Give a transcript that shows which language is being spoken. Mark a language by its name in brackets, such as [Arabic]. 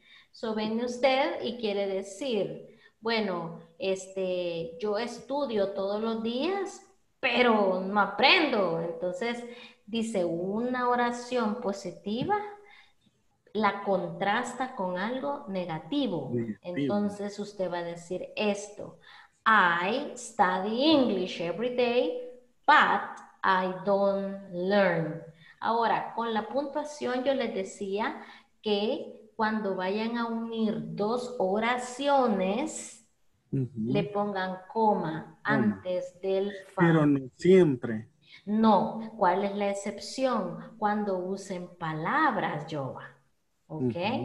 [Spanish] So, viene usted y quiere decir, bueno, yo estudio todos los días, pero no aprendo. Entonces, dice una oración positiva, la contrasta con algo negativo. Entonces, usted va a decir esto. [English] I study English every day, but I don't learn. [Spanish] Ahora, con la puntuación, yo les decía que cuando vayan a unir dos oraciones, le pongan coma antes del fa. Pero no siempre. No. ¿Cuál es la excepción? Cuando usen palabras, Jova. ¿Ok?